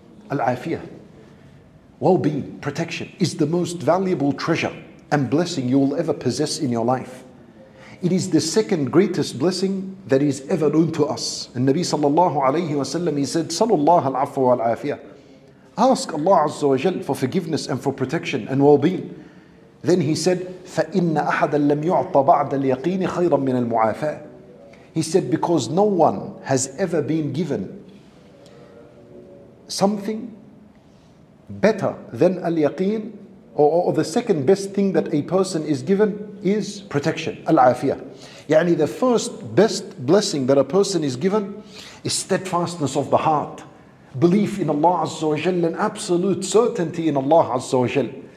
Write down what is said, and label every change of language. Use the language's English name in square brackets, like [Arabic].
[English] Al-afiyah, well-being, protection, is the most valuable treasure and blessing you will ever possess in your life. It is the second greatest blessing that is ever known to us. And Nabi sallallahu alayhi wa sallam, he said, [Arabic] سَلُوا اللَّهَ الْعَفْوَ وَالْعَافِيَةِ. [English] Ask Allah Azza wa Jal for forgiveness and for protection and well-being. Then he said, [Arabic] فَإِنَّ أَحَدًا لَمْ يُعْطَ بَعْدَ الْيَقِينِ خَيْرًا مِنَ الْمُعَافَةِ. [English] He said, because no one has ever been given something better than al-yaqeen, or the second best thing that a person is given is protection, al-afiyah. Yani the first best blessing that a person is given is steadfastness of the heart, belief in Allah Azza wa Jal, and absolute certainty in Allah Azza wa Jal.